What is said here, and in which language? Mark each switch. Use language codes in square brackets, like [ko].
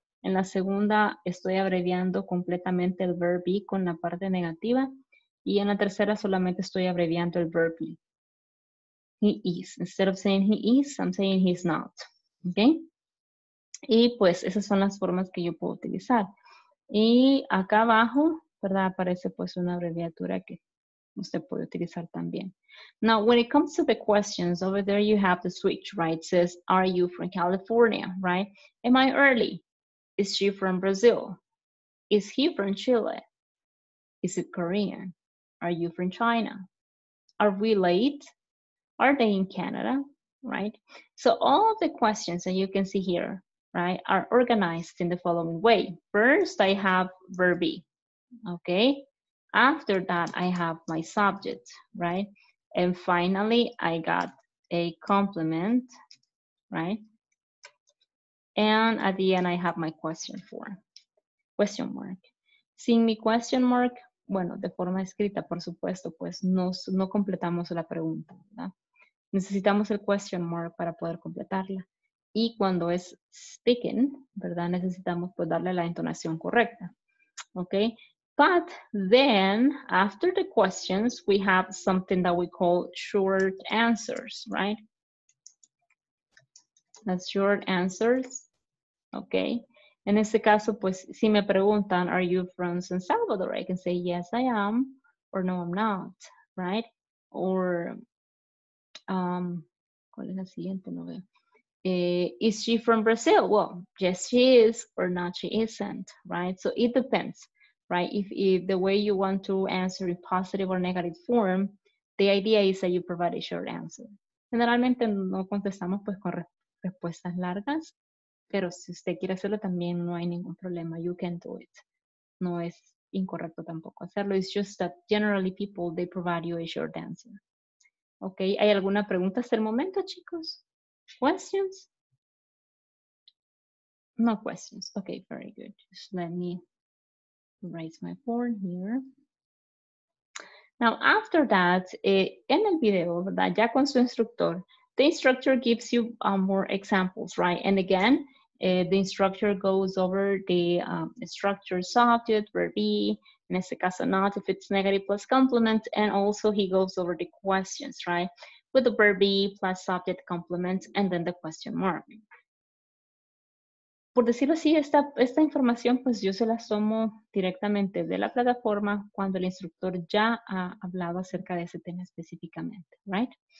[es] En la segunda, estoy abreviando completamente el [en] verb be [es] con la parte negativa. Y en la tercera, solamente estoy abreviando el [en] verb be. He is. Instead of saying he is, I'm saying he's not. ¿Ok? [es] Y, pues, esas son las formas que yo puedo utilizar. Y acá abajo, ¿verdad? Aparece pues una abreviatura que usted puede utilizar también. [en] Now, when it comes to the questions, over there you have the switch, right? It says, are you from California, right? Am I early? Is she from Brazil? Is he from Chile? Is it Korean? Are you from China? Are we late? Are they in Canada, right? So all of the questions that you can see here, right, are organized in the following way. First, I have verb be, okay? After that, I have my subject, right? And finally, I got a complement, right? And at the end, I have my question for, question mark. [es] Sin mi question mark, bueno, de forma escrita, por supuesto, pues no completamos la pregunta, ¿verdad? Necesitamos el question mark para poder completarla. Y cuando es speaking, ¿verdad? Necesitamos pues darle la entonación correcta, ¿ok? [en] But then, after the questions, we have something that we call short answers, right? That's short answers, okay? [es] En este caso, pues, si me preguntan, [en] are you from San Salvador? I can say, yes, I am, or no, I'm not, right? [es] Or, ¿cuál es la siguiente? No veo. [en] Is she from Brazil? Well, yes, she is, or not, she isn't, right? So it depends. Right, if the way you want to answer in positive or negative form, the idea is that you provide a short answer. [es] Generalmente no contestamos pues con respuestas largas, pero si usted quiere hacerlo también no hay ningún problema. [en] You can do it. [es] No es incorrecto tampoco hacerlo. [en] It's just that generally people, they provide you a short answer. [es] Okay, ¿hay alguna pregunta hasta el momento, chicos? [en] Questions? No questions. Okay, very good. Just let me raise my phone here. Now, after that, in the video, [es] ¿verdad? Ya con su instructor, [en] the instructor gives you more examples, right? And again, the instructor goes over the structure, subject, verb, in [es] este caso, [en] not, if it's negative plus complement, and also he goes over the questions, right? With the verb plus subject, complement, and then the question mark. [es] Por decirlo así, esta información pues yo se la tomo directamente de la plataforma cuando el instructor ya ha hablado acerca de ese tema específicamente, right?